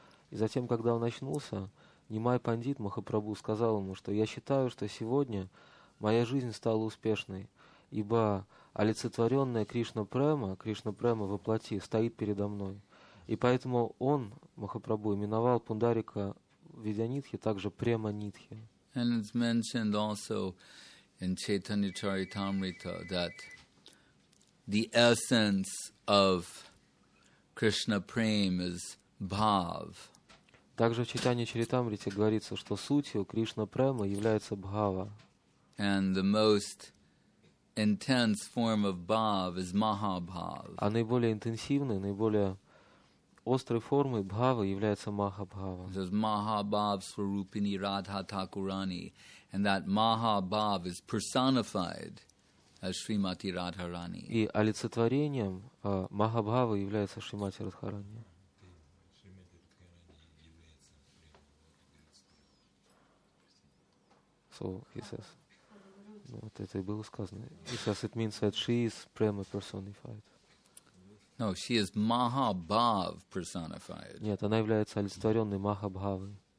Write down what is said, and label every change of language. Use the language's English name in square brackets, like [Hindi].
[Russian] И затем, когда он очнулся, Нимай Пандит Махапрабху сказал ему, что «Я считаю, что сегодня моя жизнь стала успешной, ибо олицетворенная Кришна Према воплоти, стоит передо мной». И поэтому он, Махапрабху, именовал Пундарика Видянитхи также Према Нитхи. [English] And it's mentioned also in Chaitanya Charitamrita that the essence of Krishna Prem is bhav. [Russian] Также в Чайтанья Чаритамрите говорится, что сутью Кришна Према является бхава. [English] And the most intense form of bhav is mahabhav. [Russian] А наиболее интенсивной, наиболее острой формой бхавы является махабхава. [English] It says [Bangla] mahabhav swarupini radha takurani, [English] and that mahabhav is personified as Shrimati Radharani. [Russian] И олицетворением Махабхавы является Шримати Радхарани. [English] So, he says, [Russian] ну, вот это и было сказано. [English] He says, it means that she is Prema personified. No, she is Mahabhav personified. [Russian] Нет, она является олицетворенной Махабхавой.